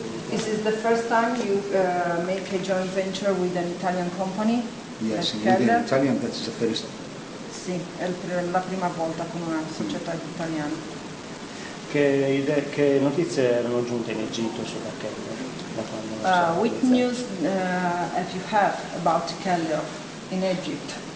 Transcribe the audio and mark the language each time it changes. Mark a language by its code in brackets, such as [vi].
[en] This is the first time you make a joint venture with an Italian company? Yes, with an Italian, that's the first. [it] Sì, è la prima volta con una società italiana. Che notizie erano giunte in Egitto su da Keller? [en] What news have you heard about Keller in Egypt?